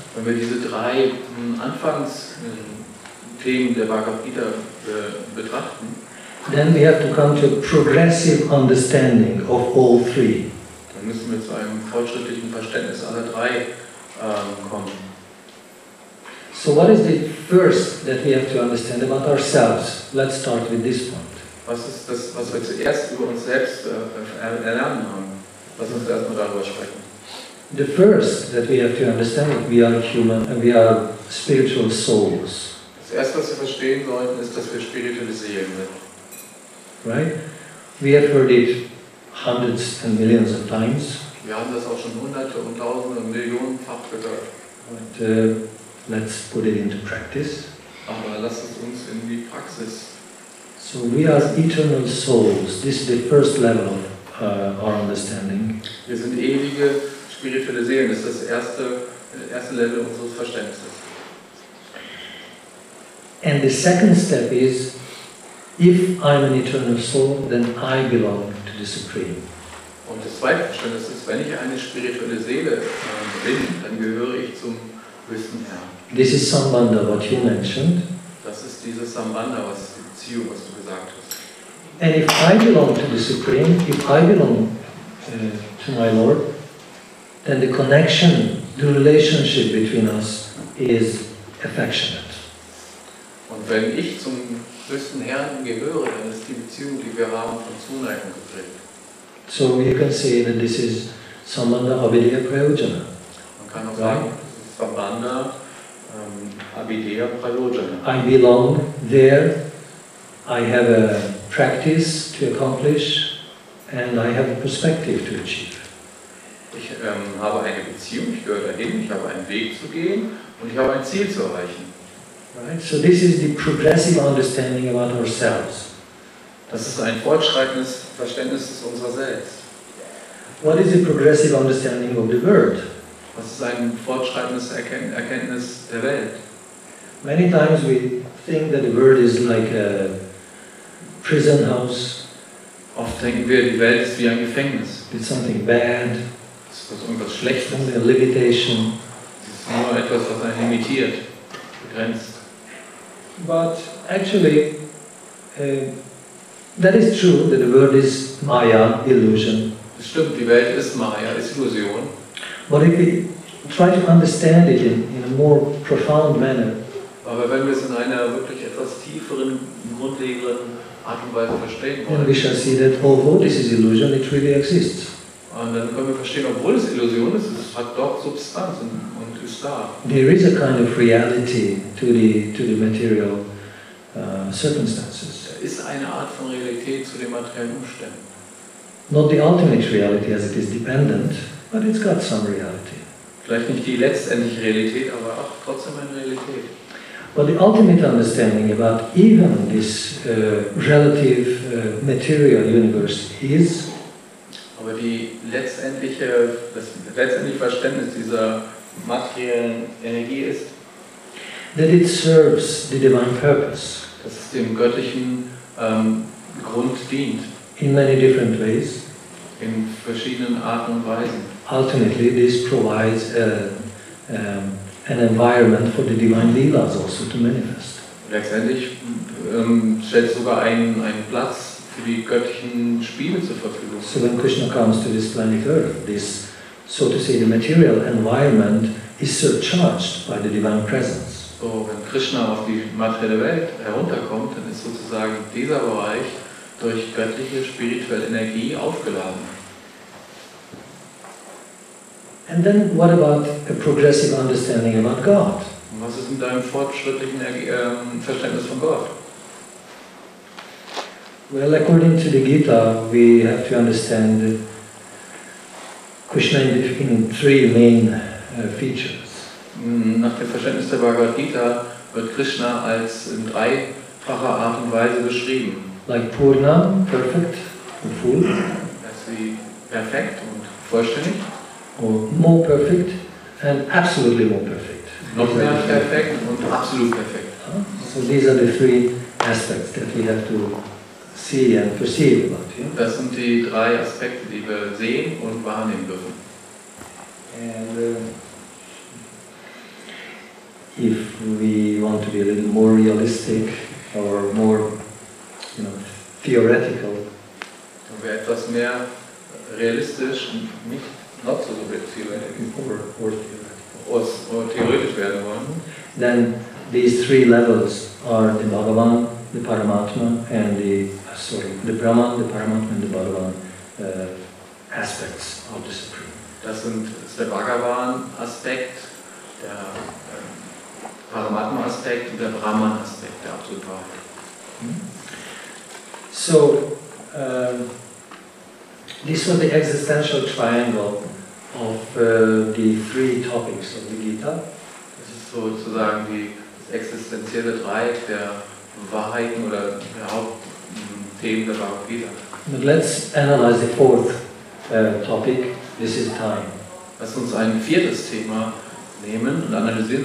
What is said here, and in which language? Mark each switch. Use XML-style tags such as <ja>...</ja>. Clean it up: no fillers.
<de>wenn wir diese drei Anfangsthemen der Bhagavad Gita betrachten,</de> <en>then we have to come to a progressive understanding of all three.</en> <de>Dann müssen wir zu einem fortschrittlichen Verständnis aller drei kommen.</de> <en>So what is the first that we have to understand about ourselves? Let's start with this point.</en> <de>Was ist das, was wir zuerst über uns selbst erlernen haben? Lass uns erstmal darüber sprechen.</de> <en>The first that we have to understand is we are human and we are spiritual souls.</en> <de>Das erste, was wir verstehen sollten, ist, dass wir spirituelle Seelen sind.</de> <en>Right? We have heard it hundreds and millions of times.</en> <de>Wir haben das auch schon hunderte und tausende und millionenfach gehört.</de> <en>But let's put it into practice.</en> <de>Aber lass es uns in die Praxis.</de> <en>So we are eternal souls. This is the first level of our understanding.</en> <de>Wir sind ewige spirituelle Seelen. Das ist das erste Level unseres Verständnisses.</de> <en>And the second step is, if I'm an eternal soul, then I belong to the Supreme.</en> <de>Und das zweite Verständnis ist, wenn ich eine spirituelle Seele bin, dann gehöre ich zum höchsten Herrn.</de> <en>This is Sambandha, what you mentioned.</en> <de>Das ist dieses Sambandha, was die Beziehung, was du gesagt hast.</de> <en>And if I belong to the Supreme, if I belong to my Lord, then the connection, the relationship between us is affectionate.</en> <de>Und wenn ich zum höchsten Herrn gehöre, dann ist die Beziehung, die wir haben, von Zuneigung geprägt.</de> <en>So you can say that this is Sambandha Abhidhya Prayojana.</en> <de>Man kann auch sagen, Sambandha Abhidhya Prayojana.</de> <en>I belong there, I have a practice to accomplish, and I have a perspective to achieve.</en> <de>Ich habe eine Beziehung, ich gehöre dahin, ich habe einen Weg zu gehen und ich habe ein Ziel zu erreichen.</de> <en>Right? So this is the progressive understanding about ourselves.</en> <de>Das ist ein fortschreitendes Verständnis unserer selbst.</de> <en>What is the progressive understanding of the world?</en> <de>Was ist ein fortschreitendes Erkenntnis der Welt?</de> <en>Many times we think that the world is like a prison house.</en> <de>Oft denken wir, die Welt ist wie ein Gefängnis.</de> <en>It's something bad.</en> <de>Es ist irgendwas Schlechtes.</de> <en>A limitation.</en> <de>Es ist nur etwas, was einen limitiert, begrenzt.</de> <en>But actually, that is true that the world is Maya, illusion.</en> <de>Es stimmt, die Welt ist Maya, ist Illusion.</de> <en>But if we try to understand it in a more profound manner,</en> <de>aber wenn wir es in einer wirklich etwas tieferen, grundlegenden Art und Weise verstehen wollen,</de> <en>then we shall see that although this is illusion, it really exists.</en> <de>Und dann können wir verstehen, obwohl es Illusion ist, es hat doch Substanz und ist da.</de> <en>There is a kind of reality to the material circumstances.</en> <de>Da ist eine Art von Realität zu den materiellen Umständen.</de> <en>Not the ultimate reality as it is dependent, but it's got some reality.</en> <de>Vielleicht nicht die letztendliche Realität, aber auch trotzdem eine Realität.</de> <en>But the ultimate understanding about even this relative material universe is,</en> <de>Aber die letztendliche, das letztendliche Verständnis dieser materiellen Energie ist,</de> <en>that it serves the divine purpose.</en> <de>Dass es dem göttlichen Grund dient.</de> <en>In many different ways.</en> <de>In verschiedenen Arten und Weisen.</de> <en>Ultimately, this provides an environment for the divine leelas also to manifest.</en> <de>Letztendlich stellt sogar einen Platz für die göttlichen Spiele zur Verfügung.</de> <en>So when Krishna comes to this planet Earth, this, so to say, the material environment is surcharged by the divine presence.</en> <de>So, wenn Krishna auf die materielle Welt herunterkommt, dann ist sozusagen dieser Bereich durch göttliche spirituelle Energie aufgeladen.</de> <en>And then what about a progressive understanding about God?</en> <de>Was ist mit deinem fortschrittlichen Verständnis von Gott?</de> <en>Well, according to the Gita, we have to understand Krishna in three main features.</en> <de>Nach dem Verständnis der Bhagavad Gita wird Krishna als in dreifacher Art und Weise beschrieben.</de> <en>Like Purna, perfect and full.</en> <de>Als wie perfekt und vollständig.</de> <en>Or more perfect and absolutely more perfect.</en> <de>Noch mehr perfekt und absolut perfekt.</de> <en>So these are the three aspects that we have to see and perceive about him.</en> <de>Das sind die drei Aspekte, die wir sehen und wahrnehmen dürfen.</de> <en>And if we want to be a little more realistic or more, you know, theoretical.</en> <de>Wenn wir etwas mehr realistisch und nicht</de> <en>not so</en> <de>theoretisch</de> <en>or</en> <de>theoretisch werden wollen,</de> <en>then these three levels are the Bhagavan, the Paramatma, and the Brahman, the Paramatma, and the Bhagavan aspects of the Supreme.</en> <de>Das sind der Bhagavan Aspekt, der Paramatma Aspekt und der Brahman Aspekt, der absolute Wahrheit.</de> <en>So, this was the existential triangle of the three topics of the Gita.</en> <de>Das ist sozusagen die existenzielle Dreieck der Wahrheiten oder der Hauptthemen der Bhagavad Gita.</de> <en>But let's analyze the fourth topic. This is time.</en> <de>Lass uns ein viertes Thema nehmen und analysieren.</de>